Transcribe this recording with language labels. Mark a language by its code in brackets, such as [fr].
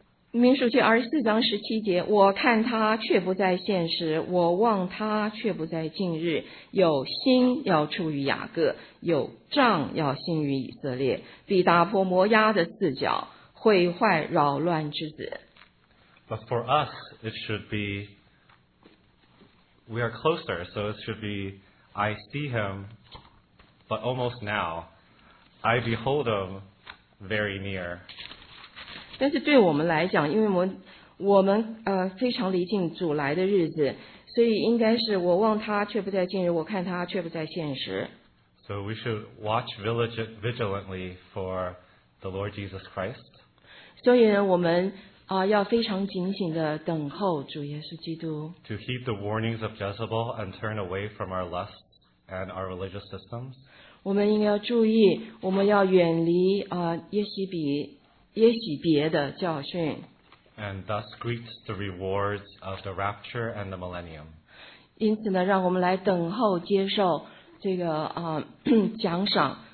[zh] 民数记24:17，我看他却不在现时，我望他却不在近日。有星要出于雅各，有杖要兴于以色列，必打破摩押的四角，毁坏扰乱之子。 [en] But for us, it should be we are closer, so it should be I see him, but almost now, I behold him very near. [zh] 但是对我们来讲，因为我们非常离近主来的日子，所以应该是我望他却不在近日，我看他却不在现时。 [en] So we should watch vigilantly for the Lord Jesus Christ. [zh] 所以呢，我们要非常警醒的等候主耶稣基督。 [en] To heed the warnings of Jezebel and turn away from our lusts and our religious systems. [zh] 我们应该要注意，我们要远离耶洗别的教训。 [en] And thus greet the rewards of the rapture and the millennium. [zh] 因此呢，让我们来等候接受这个奖赏。